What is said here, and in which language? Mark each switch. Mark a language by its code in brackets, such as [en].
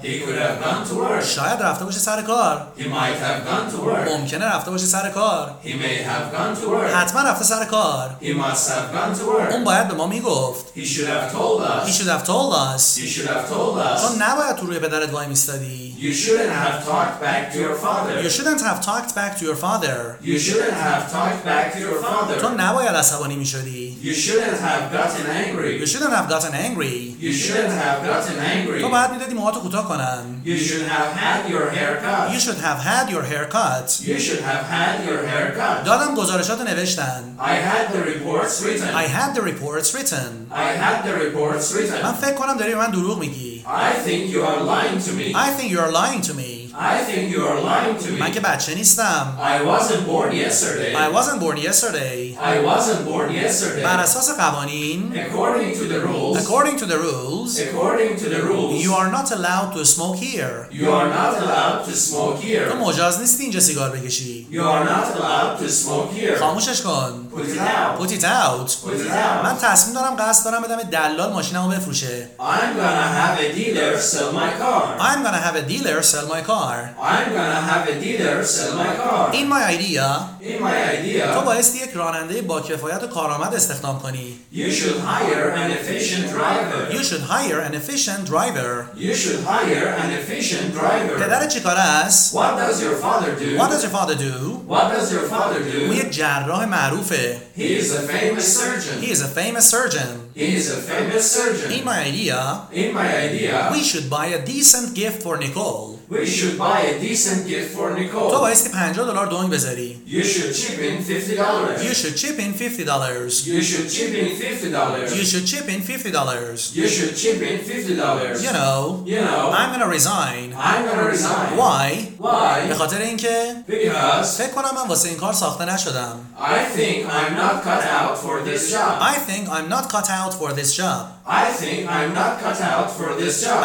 [en] He could have gone to work. [fa] شاید رفته باشه سر کار. [en] He might have gone to work. [fa] ممکنه رفته باشه سر کار. [en] He may have gone to work. [fa] حتما رفته سر کار. [en] He must have gone to work. [fa] اون باید به ما میگفت. [en] He should have told us. He should have told us. You should have told us. [fa] تو نباید تو روی پدرت وای میستادی. [en] You shouldn't have talked back to your father. You shouldn't have talked back to your father. You shouldn't have talked back to your father. [fa] تو نباید عصبانی میشدی. [en] You shouldn't have gotten angry. You shouldn't have gotten angry. You shouldn't have gotten angry. [fa] تو باید میدادی موهاتو کوتاه کنن. [en] You should have had your haircut. You should have had your haircut. You should have had your haircut. [fa] دادم گزارشاتو نوشتن. [en] I had the reports written. I had the reports written. I had the reports written. [fa] من فکر کنم داری به من دروغ میگی. [en] I think you are lying to me. I think you are lying to me. I think you are lying to me. [fa] من که بچه نیستم. [en] I wasn't born yesterday. I wasn't born yesterday. I wasn't born yesterday. [fa] بر اساس قوانین. [en] According to the rules. According to the rules. According to the rules. You are not allowed to smoke here. You are not allowed to smoke here. [fa] تو مجاز نیستی اینجا سیگار بکشی. [en] You are not allowed to smoke here. [fa] خاموشش کن. [en] Put it out. Put it out. Put it out. [fa] من تصمیم دارم قصد دارم بدم دلال ماشینمو بفروشه. [en] I'm gonna have a dealer sell my car. I'm gonna have a dealer sell my car. I'm gonna have a dealer sell my car. In my idea. In my idea. [fa] تو بایستی یک راننده با کفایت و کارآمد استخدام کنی. [en] You should hire an efficient driver. You should hire an efficient driver. You should hire an efficient driver. [fa] پدرت چی کار است؟ [en] What does your father do? What does your father do? What does your father do? [fa] او یک جراح معروفه. [en] He is a famous surgeon. He is a famous surgeon. He is a famous surgeon. In my idea. In my idea. We should buy a decent gift for Nicole. We should buy a decent gift for Nicole. [fa] تو بایستی $50 دونگ بذاری. [en] You should chip in $50. You should chip in $50. You should chip in $50. You should chip in $50. You should chip in $50. You know. You know. I'm gonna resign. I'm gonna resign. Why? Why? [fa] به خاطر اینکه. [en] Because. [fa] فکر کنم من واسه این کار ساخته نشدم. [en] I think I'm not cut out for this job. I think I'm not cut out for this job. I think I'm not cut out for this job.